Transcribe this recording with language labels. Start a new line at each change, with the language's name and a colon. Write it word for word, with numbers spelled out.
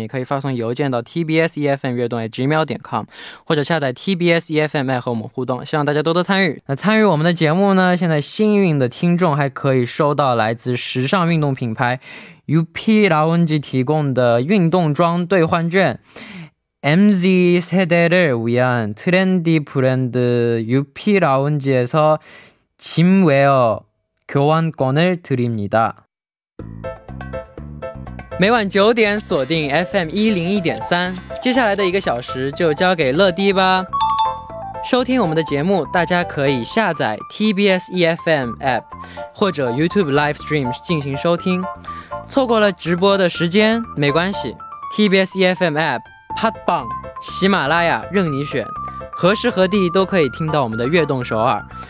Chinese: 也可以发送邮件到 t b s e f m 悦动 at gmail 点 com， 或者下载 t b s e f m 和我们互动。希望大家多多参与。那参与我们的节目呢，现在幸运的听听众还可以收到来自时尚运动品牌 U P 라운지 提供的运动装兑换券。
Korean: 엠지 세대를 위한 트렌디 브랜드 U P 라운지에서 짐웨어 교환권을 드립니다.
Chinese: 每晚九点锁定 F M 一零一点三， 接下来的一个小时就交给乐迪吧。收听我们的节目，大家可以下载 T B S E F M App 或者 YouTube Live Stream 进行收听。错过了直播的时间没关系， T B S E F M App、 Podbang、 喜马拉雅任你选，何时何地都可以听到我们的悦动首尔。